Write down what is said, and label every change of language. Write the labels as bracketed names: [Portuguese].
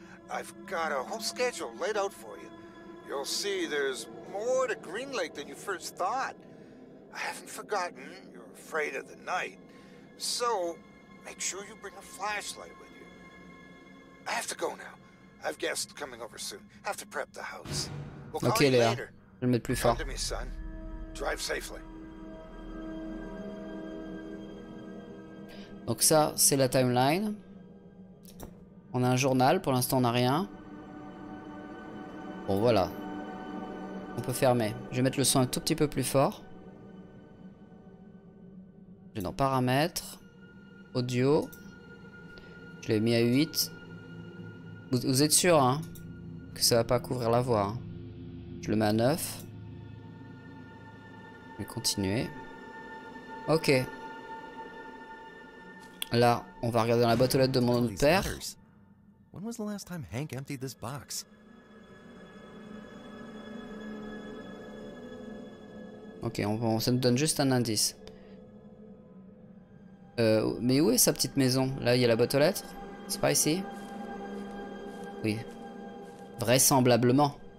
[English] I've got a whole schedule laid out for you. You'll see there's more to Green Lake than you first thought. I haven't forgotten you're afraid of the night. So, make sure you bring a flashlight with you. I have to go now. I've guests coming over soon. Have to prep the house. We'll okay, call you Léa. Later. [French] Je vais mettre plus fort. [English] Come to me, son. Drive safely. [French] Donc ça, c'est la timeline. On a un journal. Pour l'instant, on n'a rien. Bon, voilà. On peut fermer. Je vais mettre le son un tout petit peu plus fort. Je vais dans paramètres. Audio. Je l'ai mis à 8. Vous êtes sûr hein, que ça va pas couvrir la voix hein. Je le mets à 9. Je vais continuer. Ok. Là, on va regarder dans la boîte aux lettres de mon père. [English] When was the last time Hank emptied this box? [French] Ok, ça nous donne juste un indice. Mais où est sa petite maison? Là, il y a la boîte aux lettres. C'est pas ici. Oui. Vraisemblablement.